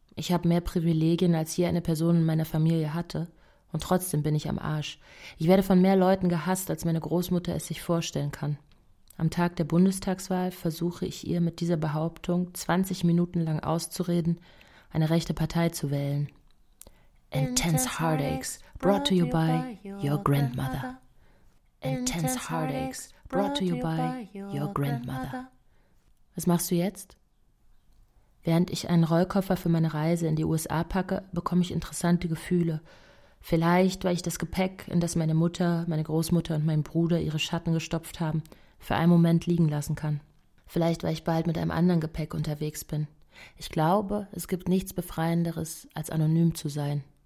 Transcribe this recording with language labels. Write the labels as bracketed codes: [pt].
[de] Ich habe mehr Privilegien, als je eine Person in meiner Familie hatte. Und trotzdem bin ich am Arsch. Ich werde von mehr Leuten gehasst, als meine Großmutter es sich vorstellen kann. Am Tag der Bundestagswahl versuche ich ihr mit dieser Behauptung 20 Minuten lang auszureden, eine rechte Partei zu wählen. [en] Intense Heartaches brought to you by your grandmother. Intense Heartaches brought to you by your grandmother. [de] Was machst du jetzt? Während ich einen Rollkoffer für meine Reise in die USA packe, bekomme ich interessante Gefühle. Vielleicht, weil ich das Gepäck, in das meine Mutter, meine Großmutter und mein Bruder ihre Schatten gestopft haben, für einen Moment liegen lassen kann. Vielleicht, weil ich bald mit einem anderen Gepäck unterwegs bin. Ich glaube, es gibt nichts Befreienderes, als anonym zu sein.